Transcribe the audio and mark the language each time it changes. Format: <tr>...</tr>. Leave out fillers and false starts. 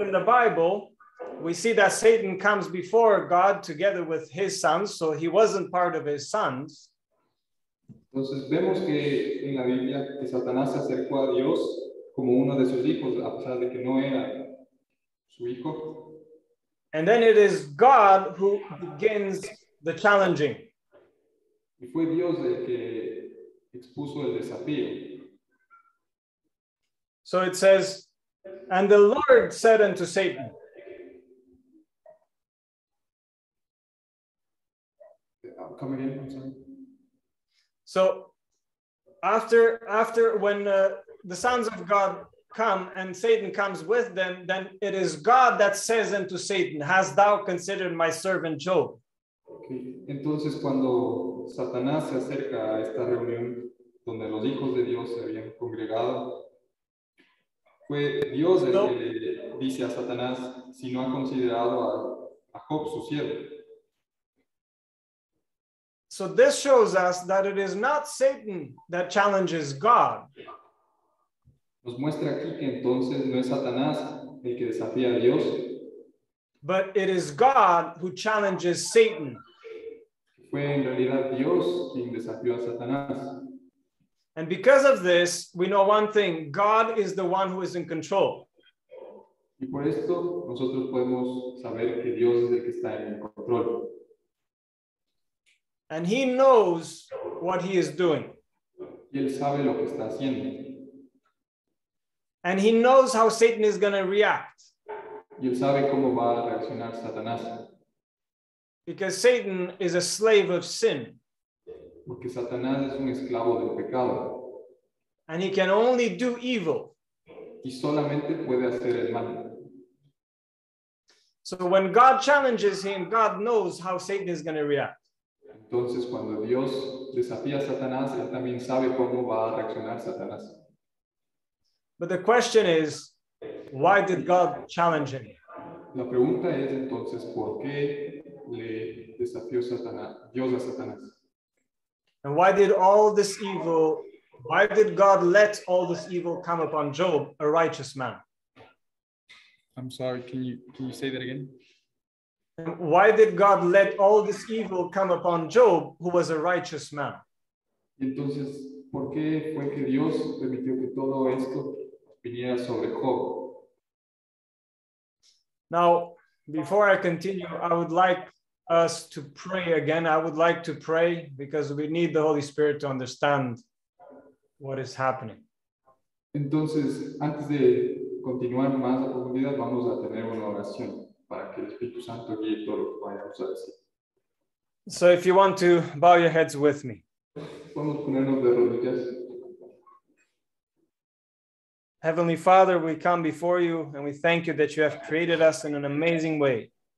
<en>in the Bible, we see that Satan comes before God together with his sons, so he wasn't part of his sons.</en> <es>Entonces vemos que en la Biblia que Satanás se acercó a Dios como uno de sus hijos, a pesar de que no era su hijo.</es> <en>And then it is God who begins the challenging.</en> <es>Y fue Dios el que expuso el desafío.</es> <en>So it says, and the Lord said unto Satan, come again, I'm sorry. So after when the sons of God come and Satan comes with them, then it is God that says unto Satan, "Hast thou considered my servant Job?" Okay.</en> <es>Entonces cuando Satanás se acerca a esta reunión donde los hijos de Dios se habían congregado, fue Dios el que dice a Satanás, "Si no ha considerado a Job su siervo."</es> <en>So this shows us that it is not Satan that challenges God.</en> <es>Nos muestra aquí que entonces no es Satanás el que desafía a Dios.</es> <en>But it is God who challenges Satan.</en> <es>Fue en realidad Dios quien desafió a Satanás.</es> <en>And because of this, we know one thing, God is the one who is in control.</en> <es>Y por esto nosotros podemos saber que Dios es el que está en control.</es> <en>And he knows what he is doing.</en> <es>Y él sabe lo que está haciendo.</es> <en>And he knows how Satan is going to react.</en> <es>Y él sabe cómo va a reaccionar Satanás.</es> <en>Because Satan is a slave of sin.</en> <es>Porque Satanás es un esclavo del pecado.</es> <en>And he can only do evil.</en> <es>Y solamente puede hacer el mal.</es> <en>So when God challenges him, God knows how Satan is going to react.</en> <es>Entonces, cuando Dios desafía a Satanás, él también sabe cómo va a reaccionar Satanás.</es> <en>But the question is, why did God challenge him?</en> <es>La pregunta es entonces, ¿por qué le desafió Dios a Satanás?</es> <en>And why did all this evil, why did God let all this evil come upon Job, a righteous man? I'm sorry, can you say that again? And why did God let all this evil come upon Job, who was a righteous man?</en> <es>Entonces, ¿por qué fue que Dios permitió que todo esto viniera sobre Job?</es> <en>Now, before I continue, I would like us to pray again. I would like to pray because we need the Holy Spirit to understand what is happening.</en> <es>Entonces, antes de continuar más a profundidad, vamos a tener una oración para que el Espíritu Santo guíe todo lo que vayamos a decir.</es> <en>So if you want to bow your heads with me.</en> <es>Vamos a ponernos de rodillas.</es> <en>Heavenly Father, we come before you and we thank you that you have created us in an amazing way.</en>